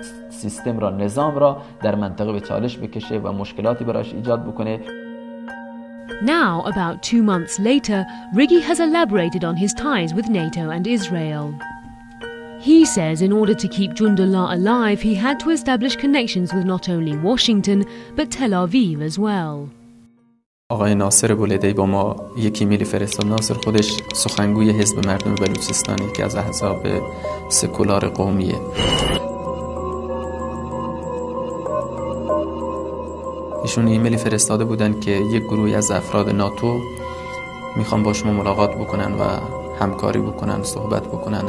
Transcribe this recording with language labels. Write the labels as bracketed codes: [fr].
[fa] سیستم را نظام را در منطقه به چالش بکشه و مشکلاتی برایش ایجاد بکنه. [en] Now, about 2 months later, Riggi has elaborated on his ties with NATO and Israel. He says in order to keep Jundallah alive, he had to establish connections with not only Washington, but Tel Aviv as well. [fa] آقای ناصر بولدهی با ما یکی میلی فرستاد. ناصر خودش سخنگوی حزب مردم بلوچستان که از احزاب سکولار قومیه. ایشون ایمیلی فرستاده بودن که یک گروهی از افراد ناتو میخوان با شما ملاقات بکنن و همکاری بکنن، صحبت بکنن.